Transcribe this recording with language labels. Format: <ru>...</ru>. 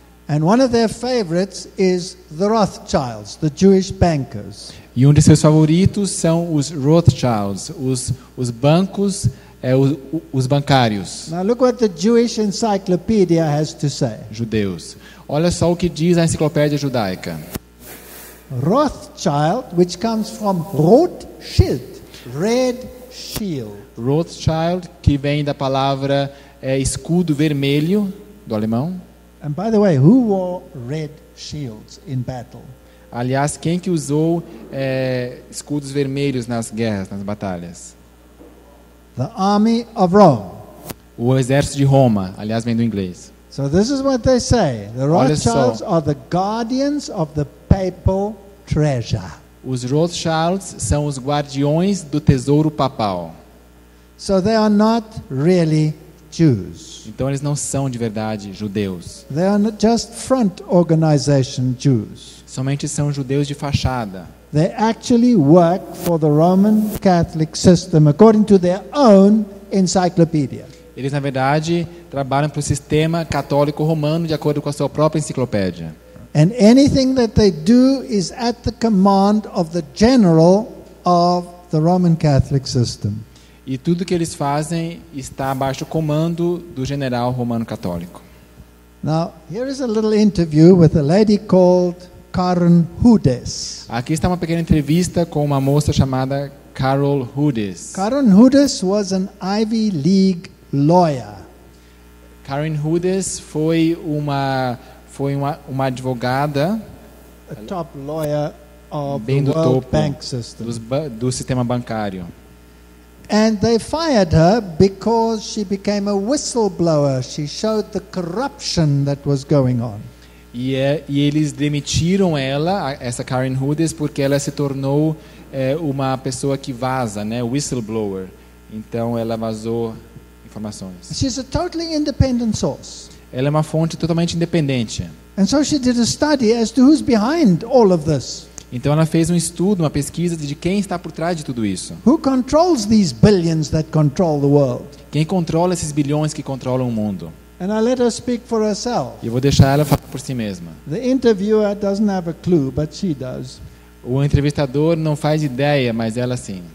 <en>And one of their favorites is the Rothschilds, the Jewish bankers.</en> <pt>E um de seus favoritos são os Rothschilds, os bancos. Os bancários.</pt> <en>Now look what the Jewish encyclopedia has to say.</en> <pt>Judeus. Olha só o que diz a enciclopédia judaica.</pt> <en>Rothschild, which comes from Rothschild, red shield.</en> <pt>Rothschild, que vem da palavra escudo vermelho do alemão.</pt> <en>And by the way, who wore red shields in battle?</en> <pt>Aliás, quem que usou escudos vermelhos nas guerras, nas batalhas?</pt> <en>The army of Rome.</en> <pt>O exército de Roma, aliás, vem do inglês.</pt> <en>So this is what they say. The Rothschilds are the guardians of the papal treasure.</en> <pt>Os Rothschilds são os guardiões do tesouro papal.</pt> <en>So they are not really Jews.</en> <pt>Então eles não são de verdade judeus.</pt> <en>They are not just front organization Jews.</en> <pt>Somente são judeus de fachada.</pt> <en>They actually work for the Roman Catholic system according to their own encyclopedia.</en> <pt>Eles na verdade trabalham para o sistema católico romano de acordo com a sua própria enciclopédia.</pt> <en>And anything that they do is at the command of the general of the Roman Catholic system.</en> <pt>E tudo que eles fazem está abaixo do comando do general romano católico.</pt> <en>Now, here is a little interview with a lady called Karen Hudes.</en> <pt>Aqui está uma pequena entrevista com uma moça chamada Carol Hudes.</pt> <en>Karen Hudes was an Ivy League lawyer.</en> <pt>Karen Hudes foi uma advogada,</pt> <en>a top lawyer of the World Bank System.</en> <pt>Do sistema bancário.</pt> <en>And they fired her because she became a whistleblower. She showed the corruption that was going on.</en> <pt>E eles demitiram ela, essa Karen Hudes, porque ela se tornou uma pessoa que vaza, né, whistleblower. Então ela vazou informações.</pt> <en>She's a totally independent source.</en> <pt>Ela é uma fonte totalmente independente.</pt> <en>And so she did a study as to who's behind all of this.</en> <pt>Então ela fez um estudo, uma pesquisa de quem está por trás de tudo isso.</pt> <en>Who controls these billions that control the world?</en> <pt>Quem controla esses bilhões que controlam o mundo?</pt> <en>And I let her speak for herself.</en> <pt>Eu vou deixar ela falar por si mesma.</pt> <en>The interviewer doesn't have a clue, but she does.</en> <pt>O entrevistador não faz ideia, mas ela sim.</pt>